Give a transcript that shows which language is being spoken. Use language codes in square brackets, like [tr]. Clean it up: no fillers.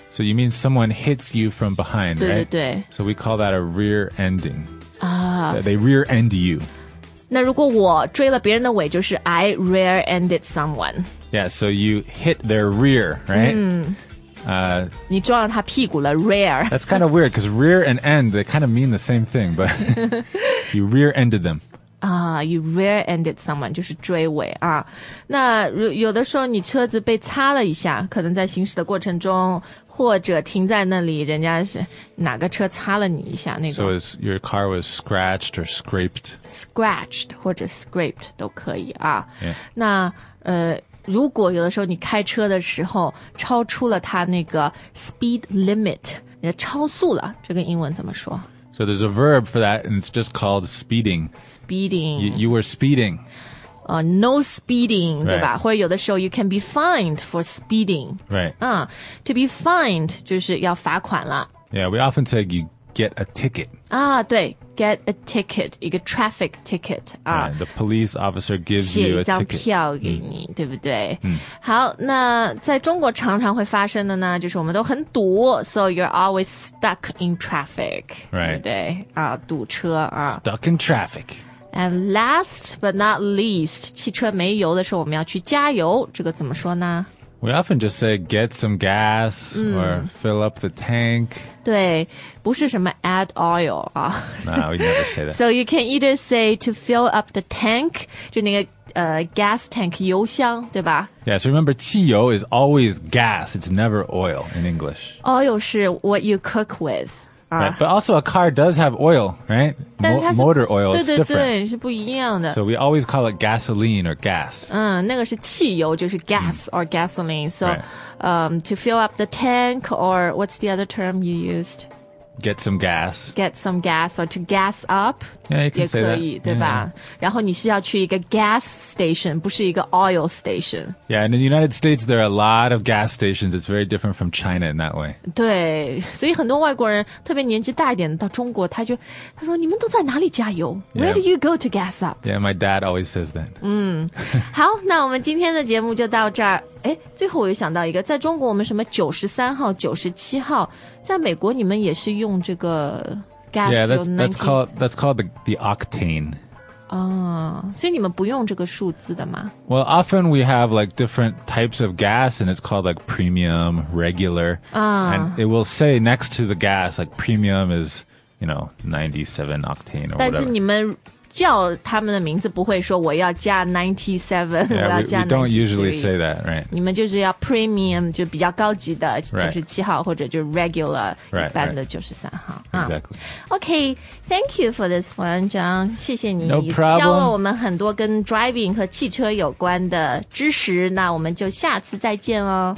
[en] So you mean someone hits you from behind, [zh] 对 [en] right? [zh] 对对 [en] So we call that a rear ending、 They rear end you [zh] 那如果我追了别人的尾就是 [en] I rear-ended someone. Yeah, so you hit their rear, right? [zh] 你撞了他屁股了 rear. [en] That's kind of weird, because rear and end, they kind of mean the same thing, but you rear-ended them. You rear-ended someone, [zh] 就是追尾啊。那有的时候你车子被擦了一下可能在行驶的过程中或者停在那里人家是哪个车擦了你一下那种。 [en] So your car was scratched or scraped? [zh] Scratched 或者 scraped 都可以啊。 [en] Yeah. [zh] 那如果有的时候你开车的时候超出了他那个 speed limit, 你超速了这个英文怎么说 [en] So there's a verb for that, and it's just called speeding. Speeding. You were speeding. No speeding, right. [zh] 对吧？或者有的时候 [en] you can be fined for speeding. Right. To be fined [zh] 就是要罚款了。 [en] Yeah, we often say you get a ticket. 对 ,get a ticket, 一个 traffic ticket. Yeah, the police officer gives you a ticket. [zh] 写一张票给你，对不对？好，那在中国常常会发生的呢，就是我们都很堵 , [en] so you're always stuck in traffic. Right. [zh] 对不对？堵车啊。 [en] Stuck in traffic. And last but not least, [zh] 汽车没油的时候我们要去加油这个怎么说呢 [en] We often just say get some gas or fill up the tank. [zh] 对不是什么 add oil. [en] No, we never say that. So you can either say to fill up the tank, 就那个gas tank, [zh] 油箱对吧 [en] Yeah, so remember, 汽油 is always gas. It's never oil in English. Oil 是 what you cook with. Right, but also a car does have oil, right? Motor oil, it's different. [zh] 对是不一样的。 [en] So we always call it gasoline or gas. [zh] 那个是汽油就是 gas or gasoline. [en] So to fill up the tank or what's the other term you used? Get some gas. Get some gas or to gas up. Yeah, you can say that. [zh] 对吧 然后你是要去一个 gas station, 不是一个 oil station. [en] Yeah, and in the United States, there are a lot of gas stations. It's very different from China in that way. [zh] 对所以很多外国人特别年纪大一点到中国他说你们都在哪里加油 [en] Where do you go to gas up? Yeah, my dad always says that. [zh] 好那我们今天的节目就到这儿。诶最后我又想到一个在中国我们什么93号97号在美国你们也是用这个Gas, [en] yeah, that's called the octane. Oh, so you [zh] 们不用这个数字的吗 [en] Well, often we have like different types of gas and it's called like premium, regular. And it will say next to the gas, like premium is, you know, 97 octane or whatever. [zh] 但是你们叫他们的名字不会说我要加 97, [en] yeah, [zh] 我要加 93. [en] We don't usually say that, right? [zh] 你们就是要 premium, 就比较高级的、就是7号或者就 regular, [en] right, [zh] 一般的93号。 [en] Exactly. Okay, thank you for this one, John. [zh] 谢谢你。 [en] No problem. [zh] 教了我们很多跟 driving 和汽车有关的知识。那我们就下次再见哦。